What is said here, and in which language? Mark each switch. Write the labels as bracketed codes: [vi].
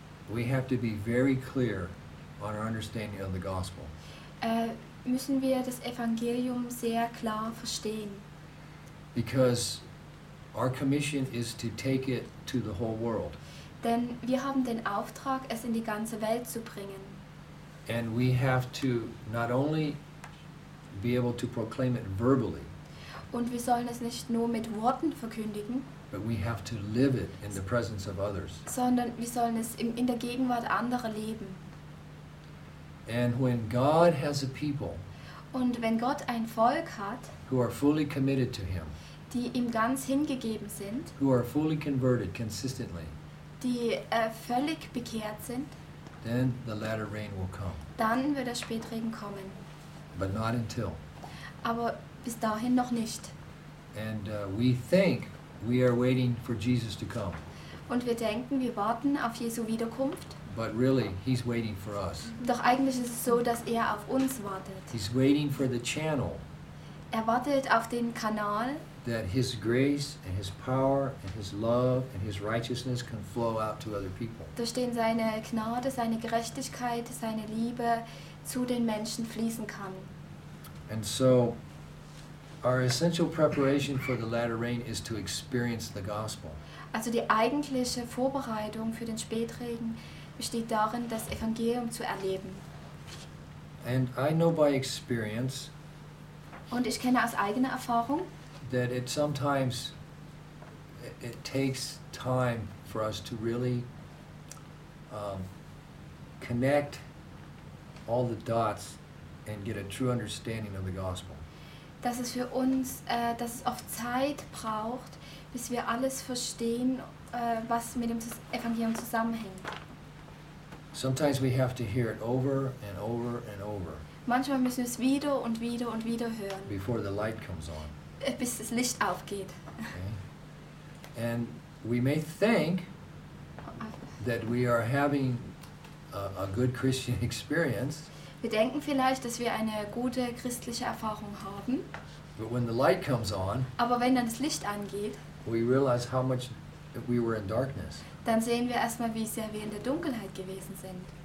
[en] We have to be very clear on our understanding of the gospel. [de] Müssen wir das Evangelium sehr klar verstehen. [en] Because our commission is to take it to the whole world. [de] Denn wir haben den Auftrag, es in die ganze Welt zu bringen. [en] And we have to not only be able to proclaim it verbally. [de] Und wir sollen es nicht nur mit Worten verkündigen. [en] But we have to live it in the presence of others. [de] Sondern wir sollen es in der Gegenwart anderer leben. [en] And when God has a people. [de] Und wenn Gott ein Volk hat. [en] Who are fully committed to him. [de] Die ihm ganz hingegeben sind, [en] who are fully converted consistently, [de] die völlig bekehrt sind, [en] then the latter rain will come. [de] Dann wird der Spätregen kommen. [en] But not until. [de] Aber bis dahin noch nicht. [en] And we think we are waiting for Jesus to come. [de] Und wir denken, wir warten auf Jesu Wiederkunft. [en] But really, he's waiting for us. [de] Doch eigentlich ist es so, dass er auf uns wartet. [en] He's waiting for the channel. [de] Er wartet auf den Kanal. [en] That his grace and his power and his love and his righteousness can flow out to other people. [de] Durch den seine Gnade, seine Gerechtigkeit, seine Liebe zu den Menschen fließen kann. [en] And so, our essential preparation for the latter rain is to experience the gospel. [de] Also die eigentliche Vorbereitung für den Spätregen besteht darin, das Evangelium zu erleben. [en] And I know by experience. [de] Und ich kenne aus eigener Erfahrung. [en] That it sometimes it takes time for us to really connect all the dots and get a true understanding of the gospel. [de] Dass es für uns, dass es oft Zeit braucht, bis wir alles verstehen, was mit dem Evangelium zusammenhängt. [en] Sometimes we have to hear it over and over and over. [de] Manchmal müssen wir es wieder und wieder und wieder hören. [en] Before the light comes on. [de] Bis das Licht aufgeht. [en] Okay. And we may think that we are having a good Christian experience. [de] Wir denken vielleicht, dass wir eine gute christliche Erfahrung haben. [en] But when the light comes on, [de] aber wenn dann das Licht angeht, [en] we realize how much we were in darkness. [de] Dann sehen wir erstmal, wie sehr wir in der Dunkelheit gewesen sind.